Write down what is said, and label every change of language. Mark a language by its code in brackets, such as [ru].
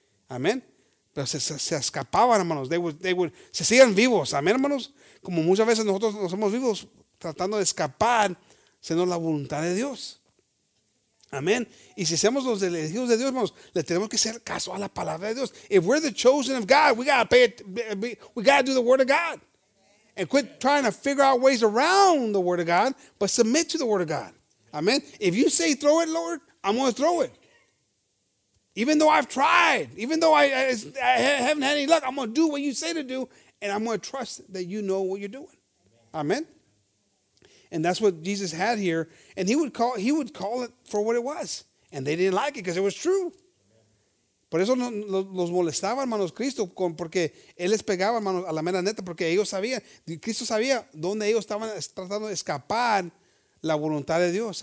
[es] Amén. Pero se escapaban, hermanos. Se siguen vivos. Amén, hermanos. Como muchas veces nosotros nos somos vivos tratando de escapar, sino la voluntad de Dios. Amén. Y si somos los elegidos de Dios, hermanos, le tenemos que hacer caso a la palabra de Dios. [en] If we're the chosen of God, we gotta do the word of God. And quit trying to figure out ways around the word of God, but submit to the word of God. Amen. If you say throw it, Lord, I'm going to throw it. Even though I've tried, even though I haven't had any luck, I'm going to do what you say to do, and I'm going to trust that you know what you're doing. Amen. And that's what Jesus had here. And he would call it for what it was. And they didn't like it because it was true. [es] Por eso los molestaba, hermanos, Cristo, porque él les pegaba, hermanos, a la mera neta, porque ellos sabían, Cristo sabía dónde ellos estaban tratando de escapar la voluntad de Dios.